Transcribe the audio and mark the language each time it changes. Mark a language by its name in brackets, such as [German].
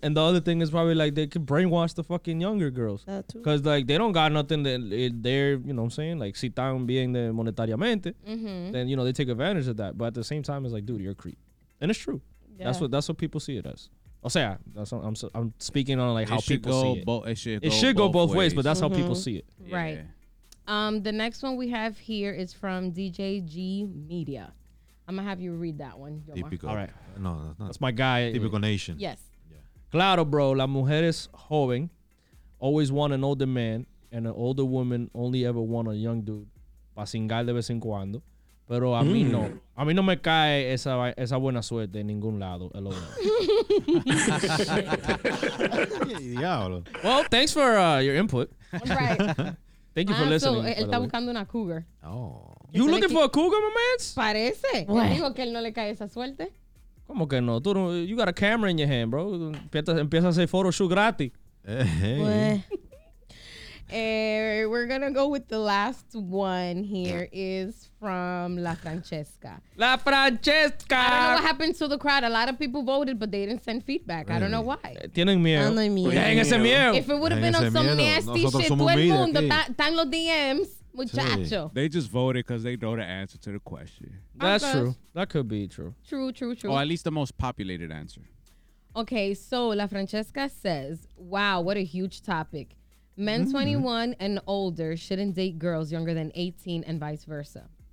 [English] And the other thing is probably like they could brainwash the fucking younger girls. That too. Because like they don't got nothing that they're, you know what I'm saying? [Spanish] Like si están bien de monetariamente, mm-hmm. [English] then you know they take advantage of that. But at the same time, it's like, dude, you're a creep. And it's true. Yeah. That's what people see it as. Oh, yeah. I'm speaking on like how people see it. It should go both ways, but that's mm-hmm. how people see it. Yeah. Right. The next one we have here is from DJ G Media. I'm gonna have you read that one. Typical. All right. No, that's not. That's my guy. Typical Nation. Yes. Yeah. [Spanish] Claro, bro. La mujer es joven, [English] always want an older man, and an older woman only ever want a young dude. [Spanish] Pa singar de vez en cuando. Pero a mí no. A mí no me cae esa buena suerte en ningún lado. [English] Hello. Diablo. Well, thanks for your input. Right. Thank you for listening. [Spanish] So, él está buscando una cougar. [English] Oh. You looking for a cougar, my man? [Spanish] Parece. Bueno. Él dijo que él no le cae esa suerte. ¿Cómo que no? Tú, [English] you got a camera in your hand, bro. [Spanish] Empieza a hacer photoshoot gratis. Hey. Bueno. [English] We're gonna go with the last one here is from La Francesca. La Francesca! I don't know what happened to the crowd. A lot of people voted, but they didn't send feedback. Really? I don't know why. [Spanish] Tienen miedo. No hay miedo. Tienen ese miedo. [English] If it would have been on some [Spanish] miedo. [English] Nasty [Spanish] Nosotros [English] shit, [Spanish] todo el mundo, están los DMs, muchacho. Sí. [English] They just voted because they know the answer to the question. That's true. That could be true. True, true, true. Or at least the most populated answer. Okay, so La Francesca says, wow, what a huge topic. Men 21 and older shouldn't date girls younger than 18 and vice versa.